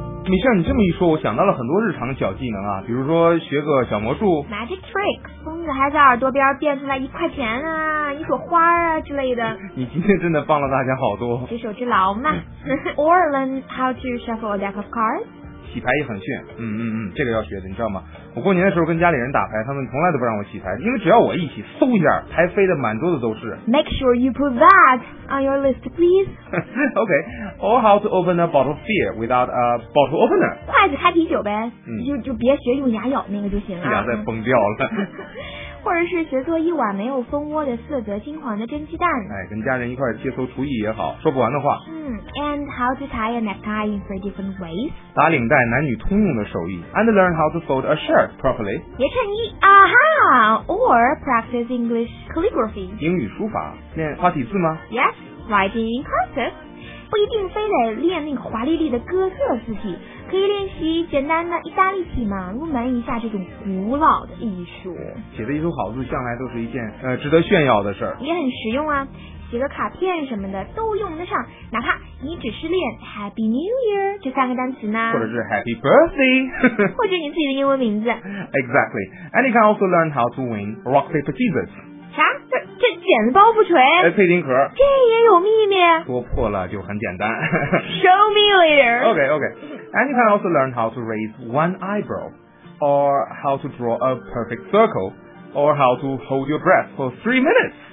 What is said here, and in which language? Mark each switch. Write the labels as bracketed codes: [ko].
[zh] 米歇尔，你这么一说我想到了很多日常小技能啊，比如说学个小魔术 [en] Magic trick， [zh] 疯子还在耳朵边变出来一块钱啊，一朵花啊之类的。你今天真的帮了大家好多，举手之劳嘛。 [en] Or learn how to shuffle a deck of cards， [zh] 洗牌也很炫。嗯嗯嗯，这个要学的，你知道吗，我过年的时候跟家里人打牌，他们从来都不让我洗牌，因为只要我一洗嗖一下牌飞的满桌子都是。 [en] Make sure you put that on your list please。 OK。 Or how to open a bottle of beer without a bottle opener， [zh] 筷子开啤酒呗。就别学用牙咬那个就行了，牙再崩掉了。或者是学做一碗没有蜂窝的色泽金黄的蒸鸡蛋。哎，跟家人一块切磋厨艺也好，说不完的话。 [en] 嗯， and how to tie a necktie in three different ways， [zh] 打领带男女通用的手艺。 [en] And learn how to fold a shirt properly， [zh] 别衬衣啊哈。 [en] Or practice English calligraphy， [zh] 英语书法，念花体字吗？ [en] Yes， writing in cursive。 [zh] 不一定非得练那个华丽丽的哥特字体，可以练习简单的意大利体嘛，入门一下这种古老的艺术。写的一手好字向来都是一件值得炫耀的事儿，也很实用啊，写个卡片什么的都用得上，哪怕你只是练 Happy New Year 这三个单词呢，或者是 Happy Birthday 或者你自己的英文名字。 [en] Exactly. And you can also learn how to win Rock Paper Scissors. [zh] 啥？这剪子包不锤，配钉盒，这也有秘密，说破了就很简单。 [en] Show me later. OK OK. And you can also learn how to raise one eyebrow, or how to draw a perfect circle, or how to hold your breath for 3 minutes.